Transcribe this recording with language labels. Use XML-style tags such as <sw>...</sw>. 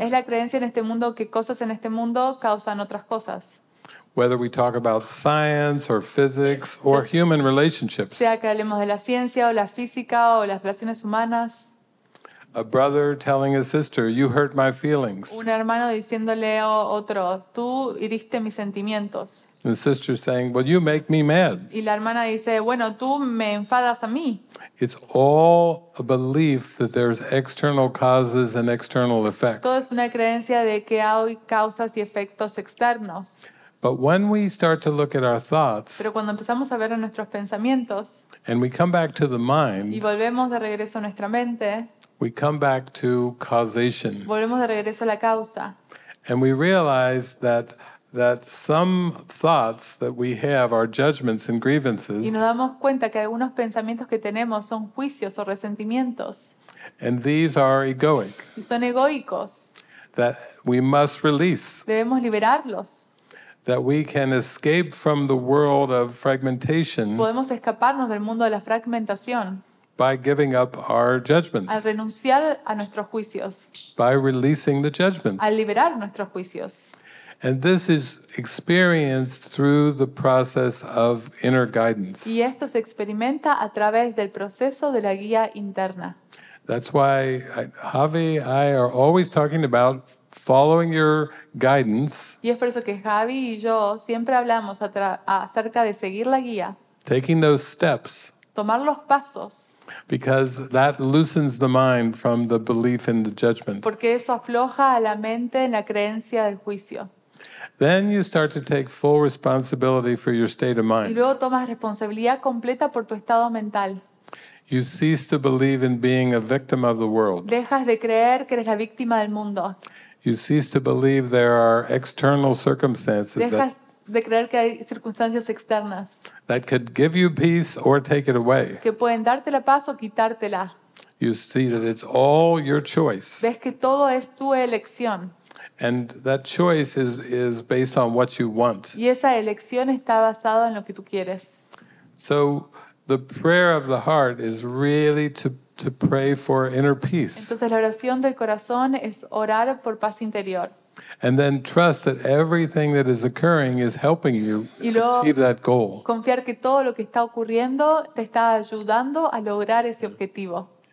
<es>Es la creencia en este mundo que cosas en este mundo causan otras cosas.</es> <en>whether we talk about science or physics or human relationships.</en> <es>Sea que hablemos de la ciencia o la física o las relaciones humanas.</es> <en>A brother telling a sister, "You hurt my feelings."</en> <es>Un hermano diciéndole a otro, "Tú hiriste mis sentimientos."</es> <en>And the sister saying, "Well, you make me mad."</en> <es>Y la hermana dice, "Bueno, tú me enfadas a mí."</es> <en>It's all a belief that there's external causes and external effects.</en> <es>Todo es una creencia de que hay causas y efectos externos.</es> <en>But when we start to look at our thoughts,</en> <es>pero cuando empezamos a ver a nuestros pensamientos,</es> <en>and we come back to the mind,</en> <es>y volvemos de regreso a nuestra mente,</es> <en>we come back to causation.</en> <es>Volvemos de regreso a la causa.</es> <en>And we realize that some thoughts that we have are judgments and grievances.</en> <es>Y nos damos cuenta que algunos pensamientos que tenemos son juicios o resentimientos.</es> <en>And these are egoic.</en> <es>Y son egoicos.</es> <en>That we must release.</en> <es>Debemos liberarlos.</es> <en>That we can escape from the world of fragmentation.</en> <es>Podemos escaparnos del mundo de la fragmentación.</es> <en>By giving up our judgments.</en> <es>Al renunciar a nuestros juicios.</es> <en>By releasing the judgments.</en> <es>Al liberar nuestros juicios.</es> <en>And this is experienced through the process of inner guidance.</en> <es>Y esto se experimenta a través del proceso de la guía interna.</es> <en>That's why Javi and I are always talking about following your guidance.</en> <es>Y es por eso que Javi y yo siempre hablamos acerca de seguir la guía.</es> <en>Taking those steps.</en> <es>Tomar los pasos.</es> <en>Because that loosens the mind from the belief in the judgment.</en> <es>Porque eso afloja a la mente en la creencia del juicio.</es> <en>Then you start to take full responsibility for your state of mind.</en> <es>Y luego tomas responsabilidad completa por tu estado mental.</es> <en>You cease to believe in being a victim of the world.</en> <es>Dejas de creer que eres la víctima del mundo.</es> <en>You cease to believe there are external circumstances.</en> <es>Dejas de creer que hay circunstancias externas.</es> <en>That could give you peace or take it away.</en> <es>Que pueden darte la paz o quitártela.</es> <en>You see that it's all your choice.</en> <es>Ves que todo es tu elección.</es> <en>And that choice is based on what you want.</en> <es>Y esa elección está basada en lo que tú quieres.</es> <en>So the prayer of the heart is really to pray for inner peace.</en> <es>Entonces la oración del corazón es orar por paz interior.</es> <en>And then trust that everything that is occurring is helping you achieve that goal.</en> <es>Confiar que todo lo que está ocurriendo te está ayudando a lograr ese objetivo.</es>